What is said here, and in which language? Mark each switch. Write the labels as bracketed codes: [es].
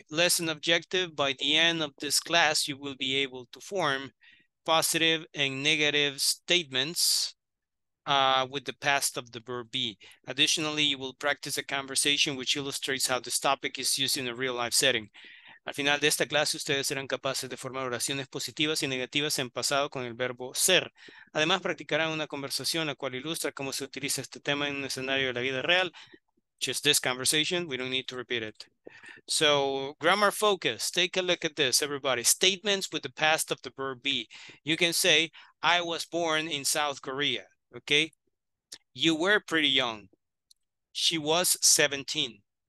[en] Lesson objective, by the end of this class, you will be able to form positive and negative statements with the past of the verb be. Additionally, you will practice a conversation which illustrates how this topic is used in a real life setting. [es] Al final de esta clase, ustedes serán capaces de formar oraciones positivas y negativas en pasado con el verbo ser. Además, practicarán una conversación la cual ilustra cómo se utiliza este tema en un escenario de la vida real. [en] Just this conversation, we don't need to repeat it. So, grammar focus. Take a look at this, everybody. Statements with the past of the verb be. You can say, I was born in South Korea. Okay? You were pretty young. She was 17.